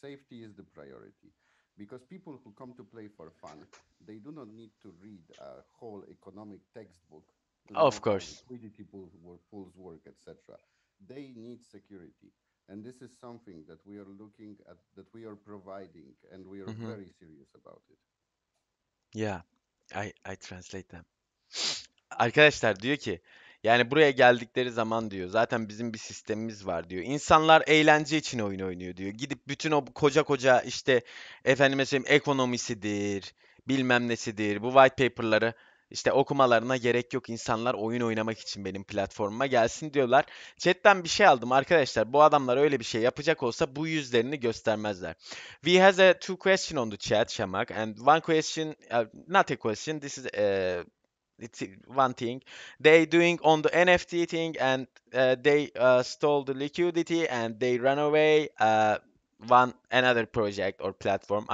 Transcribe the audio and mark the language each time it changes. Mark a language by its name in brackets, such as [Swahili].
[English] Safety is the priority. Because people who come to play for fun, they do not need to read a whole economic textbook. Of course. Liquidity pools work, etc. They need security. And this is something that we are looking at, that we are providing, and we are mm-hmm. very serious about it. Yeah, I translate them. [Turkish] arkadaşlar diyor ki, yani buraya geldikleri zaman diyor, zaten bizim bir sistemimiz var diyor. İnsanlar eğlence için oyun oynuyor diyor. Gidip bütün o koca koca işte efendime söyleyeyim ekonomisidir, bilmem nesidir, bu white paper'ları işte okumalarına gerek yok. İnsanlar oyun oynamak için benim platformuma gelsin diyorlar. Chat'ten bir şey aldım arkadaşlar. Bu adamlar öyle bir şey yapacak olsa bu yüzlerini göstermezler. [English] We have a two question on the chat, Şamak. And one question, not a question. This is it's one thing. They doing on the NFT thing and they stole the liquidity and they run away one another project or platform.